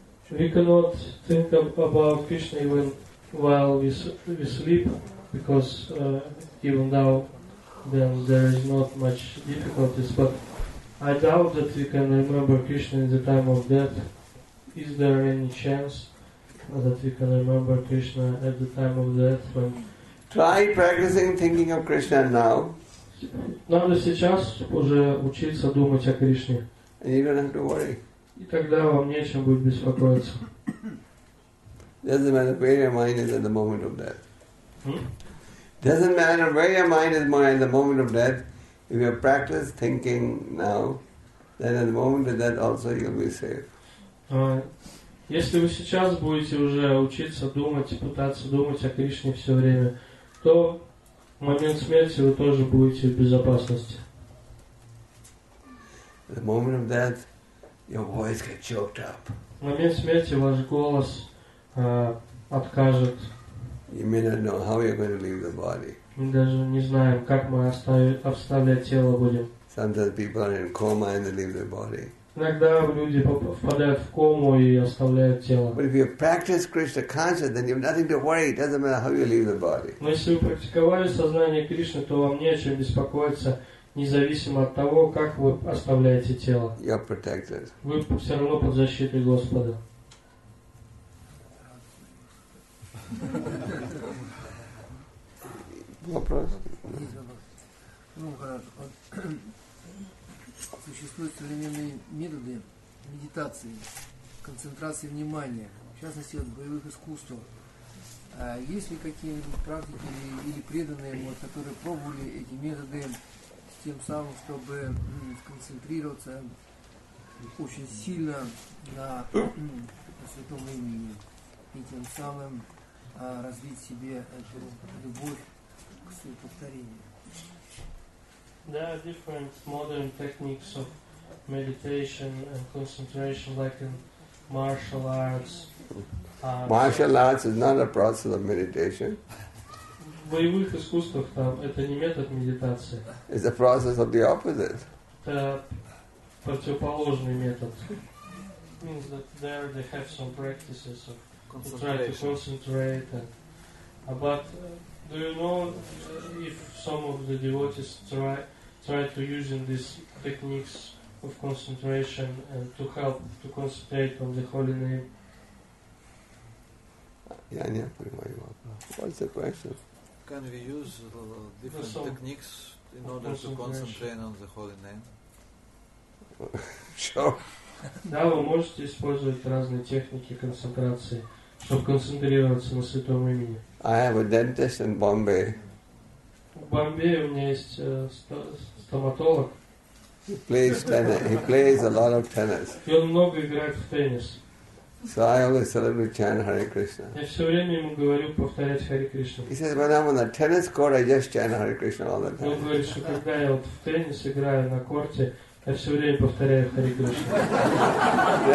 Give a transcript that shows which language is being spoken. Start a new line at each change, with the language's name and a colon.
English: We cannot think about Krishna even while we sleep, because even now then there is not much difficulties, but I doubt that we can remember Krishna in the time of death. Is there any chance that we can remember Krishna at the time of death? When try practicing thinking of Krishna now.
Russian: Надо сейчас уже учиться думать о Кришне.
English: And you don't have to worry.
Russian: И тогда вам не о чем будет беспокоиться.
English: Doesn't matter where your mind is at the moment of death. Doesn't matter where your mind is more at the moment of death. If you practice thinking now, then at the moment of death also you'll be safe.
Russian: Если вы сейчас будете уже учиться думать и пытаться думать о Кришне все время, то в момент смерти вы тоже будете в безопасности.
English: The moment of death, your voice gets choked up.
Russian: В момент смерти ваш голос откажет.
English: You may not know how you're going to leave the body.
Russian: Мы даже не знаем, как мы оставлять тело будем.
English: Sometimes people are in coma and they leave their body.
Russian: Иногда люди попадают в кому и оставляют тело.
English: But if you practice Krishna consciousness, then you have nothing to worry. It doesn't matter how you leave the body.
Russian: Но если вы практиковали сознание Кришны, то вам не о чем беспокоиться, независимо от того, как вы оставляете тело.
English: You're protected.
Russian: Вы все равно под защитой Господа. Вопрос. Ну хорошо. Существуют современные методы медитации, концентрации внимания, в частности от боевых искусств. А есть ли какие-нибудь практики или преданные, вот, которые пробовали эти методы с тем самым, чтобы сконцентрироваться очень сильно на святом имени и тем самым развить себе эту любовь к своему повторению?
English: There are different modern techniques of meditation and concentration, like in martial arts. Martial arts is not a process of meditation.
Russian: Боевых искусствах там это не метод медитации.
English: It's a process of the opposite.
Russian: Это противоположный метод.
English: Means that there they have some practices of try to concentrate, but do you know if some of the devotees try to use these techniques of concentration and to help to concentrate on the holy name? Yeah, I never mind about that. What's the question? Can we use different techniques in order to concentrate on the holy name? Sure.
Russian: Да, вы можете использовать разные техники концентрации, чтобы концентрироваться на святом имени.
English: I have a dentist in Bombay.
Russian: В Бомбее у меня есть стоматолог.
English: He plays a lot of tennis.
Russian: Он много играет в теннис.
English: So I always tell him to chant Hare Krishna.
Russian: Я все время ему говорю повторять Hare Krishna.
English: He says, when I'm on the tennis court, I just chant Hare Krishna all the time.
Russian: Он говорит, что когда я вот в теннис играю на корте, я все время повторяю Hare Krishna.